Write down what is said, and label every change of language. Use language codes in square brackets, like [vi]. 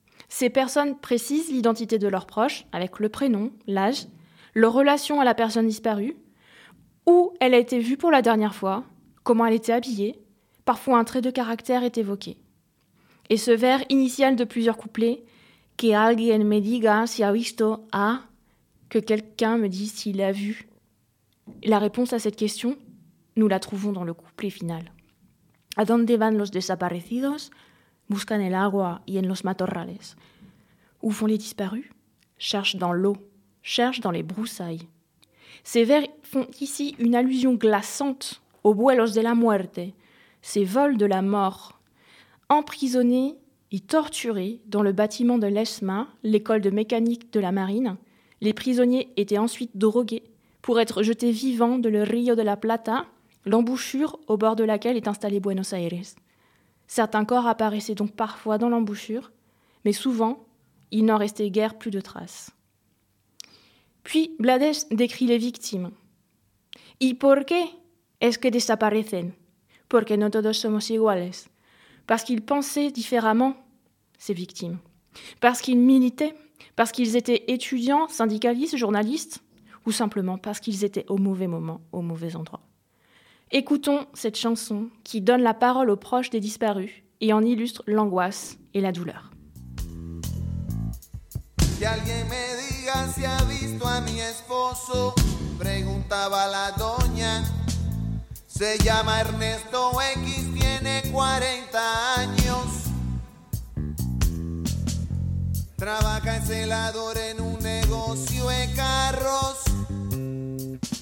[fr] Ces personnes précisent l'identité de leurs proches, avec le prénom, l'âge, leur relation à la personne disparue, où elle a été vue pour la dernière fois, comment elle était habillée, parfois un trait de caractère est évoqué. Et ce vers initial de plusieurs couplets, « [es] Que alguien me diga si ha visto a... [fr] » Que quelqu'un me dise s'il a vu. La réponse à cette question, nous la trouvons dans le couplet final. [es] ¿A dónde van los desaparecidos? Buscan el agua y en los matorrales. [fr] Où vont les disparus? Cherchent dans l'eau, cherchent dans les broussailles. Ces vers font ici une allusion glaçante aux [es] vuelos de la muerte, [fr] ces vols de la mort. Emprisonnés et torturés dans le bâtiment de l'ESMA, l'école de mécanique de la marine, les prisonniers étaient ensuite drogués pour être jetés vivants de le Rio de la Plata, l'embouchure au bord de laquelle est installé Buenos Aires. Certains corps apparaissaient donc parfois dans l'embouchure, mais souvent, il n'en restait guère plus de traces. Puis Blades décrit les victimes. [es] ¿Y por qué es que desaparecen? Porque no todos somos iguales. [fr] Parce qu'ils pensaient différemment, ces victimes. Parce qu'ils militaient. Parce qu'ils étaient étudiants, syndicalistes, journalistes, ou simplement parce qu'ils étaient au mauvais moment, au mauvais endroit. Écoutons cette chanson qui donne la parole aux proches des disparus et en illustre l'angoisse et la douleur. [es] Si alguien me diga si ha visto a mi esposo, preguntaba la doña. Se llama Ernesto X, tiene 40 años. Trabaja en celador en un negocio de carros.